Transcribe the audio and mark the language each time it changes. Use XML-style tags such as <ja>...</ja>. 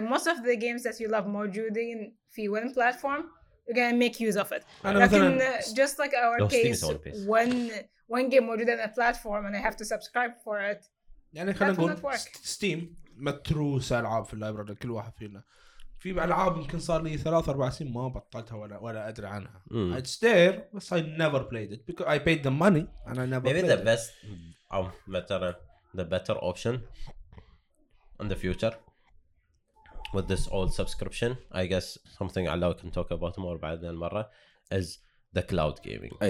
<en>Most of the games that you love موجودين في one platform, you're gonna make use of it. لكن just like our case, one game موجود on a platform and I have to subscribe for it.</en> <ar>يعني خلينا نقول ستيم متروس ألعاب في اللايبراري كل واحد فينا. في ألعاب يمكن صار لي 3-4 سنين ما بطلتها ولا أدري عنها.</ar> <en>It's there, but I never played it because I paid the money and I never. Maybe the best or better the better option in the future with this old subscription, I guess something Allah can talk about more</en> <ar>بعد المرة</ar> <en>is the cloud gaming,</en>